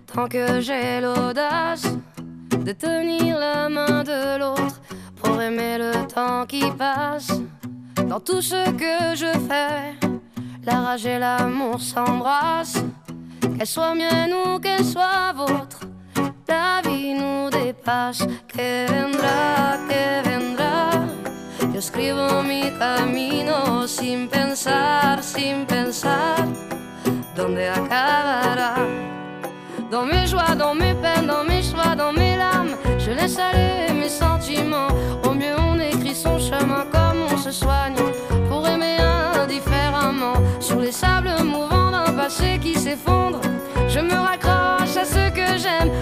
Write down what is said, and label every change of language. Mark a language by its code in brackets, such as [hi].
[fr] Que j'ai l'audace de tenir la main de l'autre pour aimer le temps qui passe. Dans tout ce que je fais, la rage et l'amour s'embrassent. Qu'elle soit mienne ou qu'elle soit vôtre, la vie nous dépasse. [es] Que vendra, que vendra. Yo escribo mi camino sin pensar, sin pensar. Donde acabará. [fr] Dans mes joies, dans mes peines, dans mes choix, dans mes larmes, je laisse aller mes sentiments. Au mieux on écrit son chemin comme on se soigne, pour aimer indifféremment. Sur les sables mouvants d'un passé qui s'effondre, je me raccroche à ce que j'aime.